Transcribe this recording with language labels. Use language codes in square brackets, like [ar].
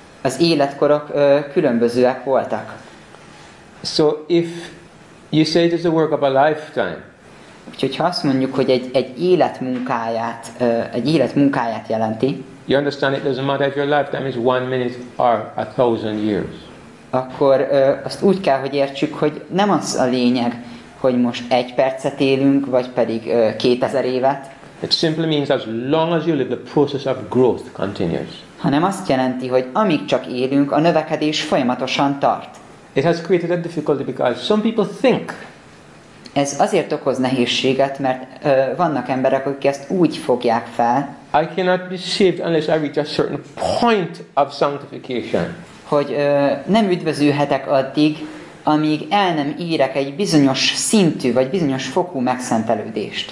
[hu] Az életkorok különbözőek voltak. [en] So if you say it is the work of a lifetime. [hu] Úgyhogy ha azt mondjuk, hogy egy életmunkáját, egy életmunkáját jelenti. [en] You understand it doesn't matter if your lifetime is 1 minute or 1,000 years. [hu] Akkor azt úgy kell, hogy értsük, hogy nem az a lényeg, hogy most egy percet élünk, vagy pedig 2000 évet. [en] It simply means as long as you live, the process of growth continues. [hu] Hanem azt jelenti, hogy amíg csak élünk, a növekedés folyamatosan tart. [en] It has created a difficulty because some people think. [hu] Ez azért okoz nehézséget, mert vannak emberek, akik ezt úgy fogják fel. [en] I cannot be saved unless I reach a certain point of sanctification. [hu] Hogy nem üdvözülhetek addig, amíg el nem írek egy bizonyos szintű vagy bizonyos fokú megszentelődést.